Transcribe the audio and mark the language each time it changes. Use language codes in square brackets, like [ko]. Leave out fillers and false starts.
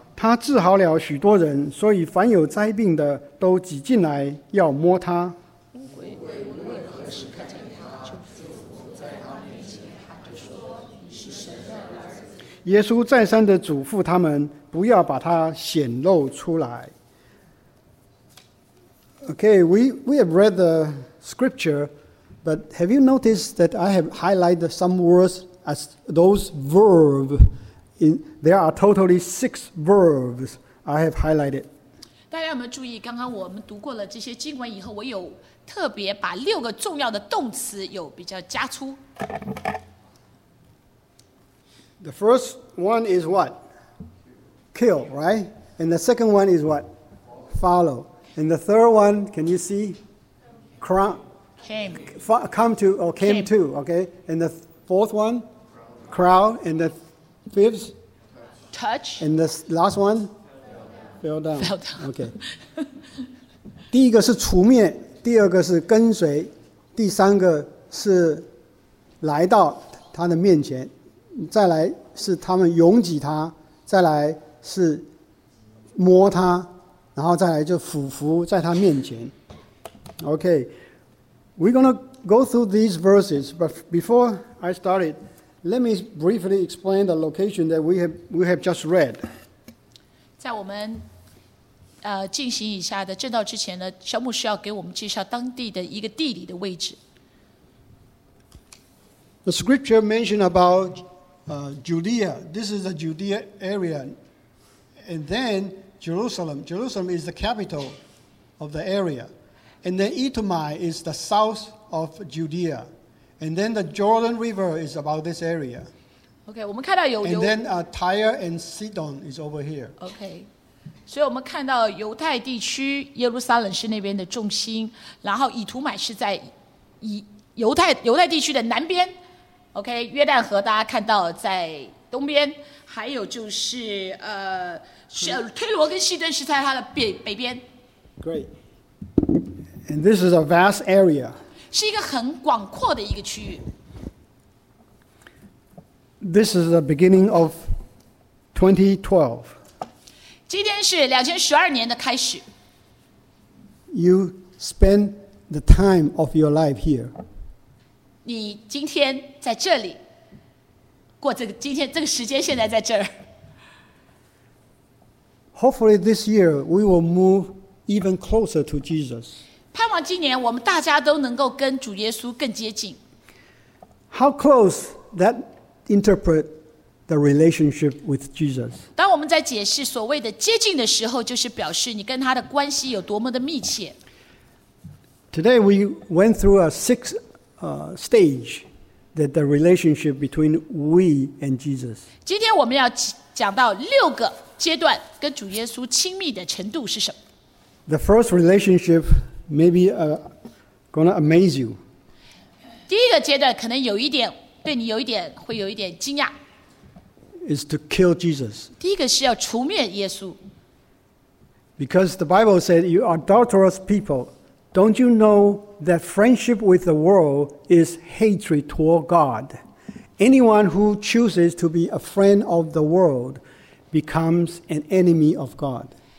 [zh] 他治好了许多人，所以凡有灾病的都挤进来要摸他。耶稣再三地嘱咐他们不要把它显露出来。 [en] Okay, we have read the scripture, but have you noticed that I have highlighted some words as those verbs? There are totally six verbs I have highlighted. [zh] 大家有没有注意，刚刚我们读过了这些经文以后，我有特别把六个重要的动词有比较加粗。 [en] The first one is what? Kill, right? And the second one is what? Follow. And the third one, can you see? Came to. Okay. And the fourth one? Crowd. And the fifth? Touch. And the last one? Fell down. Okay. [zh] 第一个是除灭，第二个是跟随，第三个是来到他的面前，再来是他们拥挤他，再来是摸他，然后再来就俯伏在他面前。 [en] Okay, we're going to go through these verses, but before I start it, let me briefly explain the location that we have just read. [zh] 在我们进行以下的正道之前呢，小牧师要给我们介绍当地的一个地理的位置。 [en] The scripture mentioned aboutJudea, this is the Judea area, and then Jerusalem. Jerusalem is the capital of the area, and then Idumea is the south of Judea, and then the Jordan River is about this area. [zh] Okay, 我们看到有 [en] 犹。And then Tyre and Sidon is over here. [zh] Okay, 所以我们看到犹太地区耶路撒冷是那边的重心，然后以图买是在犹太地区的南边。 OK, 约旦河大家看到在东边，还有就是推罗跟西顿是在它的北边。 [en] Great. And this is a vast area. [zh] 是一个很广阔的一个区域。 [en] This is the beginning of 2012. [zh] 今天是2012年的开始。 [en] You spend the time of your life here. [zh] 你今天在这里过这个今天这个时间现在在这儿。 [en] Hopefully this year we will move even closer to Jesus. [zh] 盼望今年我们大家都能够跟主耶稣更接近。 [en] How close that interpret the relationship with Jesus? [zh] 当我们在解释所谓的接近的时候，就是表示你跟他的关系有多么的密切。 [en] Today we went through a six. Stage that the relationship between we and Jesus. [zh] 今天我们要讲到六个阶段跟主耶稣亲密的程度是什么。 [en] The first relationship maybe gonna amaze you. [zh] 第一个阶段可能有一点对你有一点会有一点惊讶。 [en] is to kill Jesus. [zh] 第一个是要除灭耶稣。 [en] Because the Bible said, "You adulterous people, don't you know that friendship with the world is hatred toward God? Anyone who chooses to be a friend of the world becomes an enemy of God."